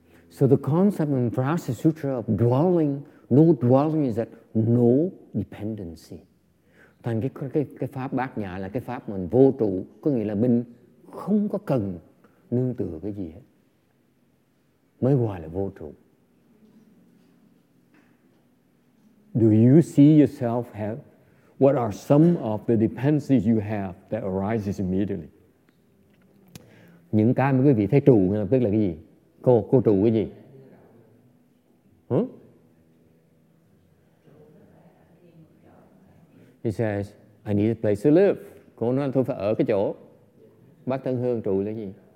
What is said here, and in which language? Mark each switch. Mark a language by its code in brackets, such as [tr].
[en] So the concept in Vajra Sutra of dwelling, no dwelling is that no dependency. [vi] Thành cái pháp bát nhã là cái pháp mình vô trụ, có nghĩa là mình không có cần nương tựa cái gì hết. Mới gọi là vô trụ. [en] Do you see yourself have, what are some of the dependencies you have that arises immediately? [vi] Những cái mà quý vị thấy trụ là tức là cái gì? Cô trụ cái gì? [en] Huh? He says, I need a place to live. [vi] Cô nói tôi phải ở cái chỗ. Bác Tân Hương trụ là gì?